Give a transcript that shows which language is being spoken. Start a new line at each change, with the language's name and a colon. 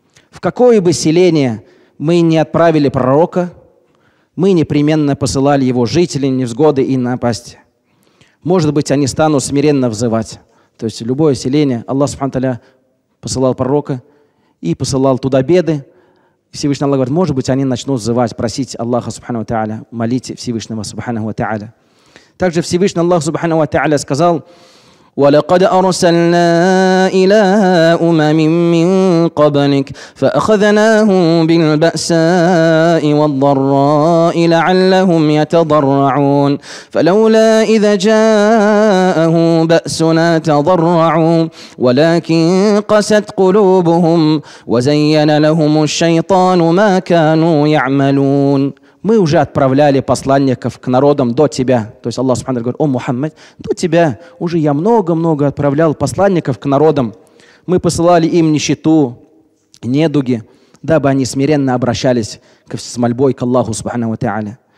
Russian: В какое бы селение мы не отправили пророка, мы непременно посылали его жителей невзгоды и напасти. Может быть, они станут смиренно взывать. То есть любое селение, Аллах субхана ва та'аля посылал пророка и посылал туда беды. Всевышний Аллах говорит, может быть, они начнут взывать, просить Аллаха субхана ва та'аля, молить Всевышнего субхана ва та'аля. Также Всевышний Аллах субхана ва та'аля сказал:
Arabic: وَلَقَدْ أَرْسَلْنَا إِلَىٰ أُمَمٍ مِّن قَبْلِكَ فَأَخَذْنَاهُم بِالْبَأْسَاءِ وَالضَّرَّاءِ لَعَلَّهُمْ يَتَضَرَّعُونَ فَلَوْلَا إِذَا جَاءَهُم بَأْسُنَا تَضَرَّعُوا وَلَٰكِن قَسَتْ قُلُوبُهُمْ وَزَيَّنَ لَهُمُ الشَّيْطَانُ مَا كَانُوا يَعْمَلُونَ.
Russian: Мы уже отправляли посланников к народам до тебя. То есть Аллах Субхану говорит: о Мухаммад, до тебя уже я много-много отправлял посланников к народам. Мы посылали им нищету, недуги, дабы они смиренно обращались с мольбой к Аллаху Субхану ва Та'аля.